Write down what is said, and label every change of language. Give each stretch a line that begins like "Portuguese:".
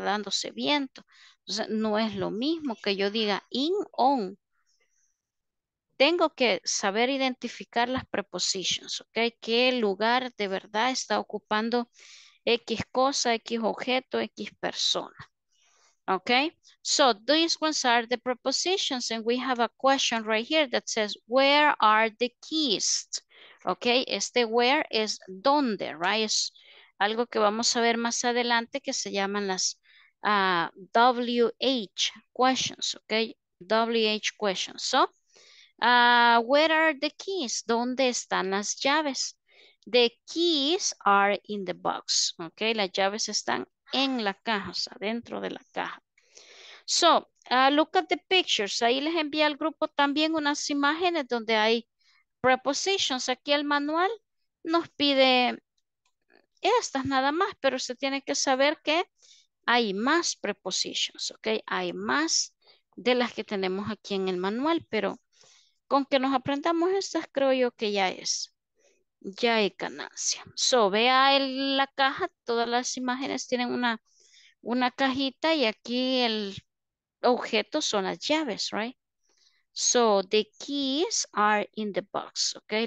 Spanish: Dándose viento. Entonces no es lo mismo que yo diga in, on. Tengo que saber identificar las prepositions, ¿ok? ¿Qué lugar de verdad está ocupando X cosa, X objeto, X persona? ¿Ok?
English: So these ones are the prepositions, and we have a question right here that says, where are the keys?
Spanish: Ok, este where es donde,
English: right?
Spanish: Es algo que vamos a ver más adelante que se llaman las WH questions, ok?
English: WH questions. So, where are the keys?
Spanish: ¿Dónde están las llaves?
English: The keys are in the box, ok?
Spanish: Las llaves están en la caja, o sea, dentro de la caja.
English: So, look at the pictures.
Spanish: Ahí les envía al grupo también unas imágenes donde hay prepositions. Aquí el manual nos pide estas nada más, pero se tiene que saber que hay más prepositions, ¿ok? Hay más de las que tenemos aquí en el manual, pero con que nos aprendamos estas, creo yo que ya hay ganancia. So, vea la caja, todas las imágenes tienen una cajita y aquí el objeto son las llaves,
English: right? So, the keys are in the box, ok?